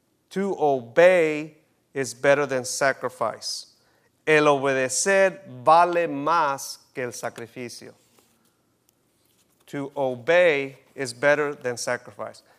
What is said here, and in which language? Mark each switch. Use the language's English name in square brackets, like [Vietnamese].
[English] To obey is better than sacrifice. [Spanish] El obedecer vale más que el sacrificio. [English] To obey is better than sacrifice.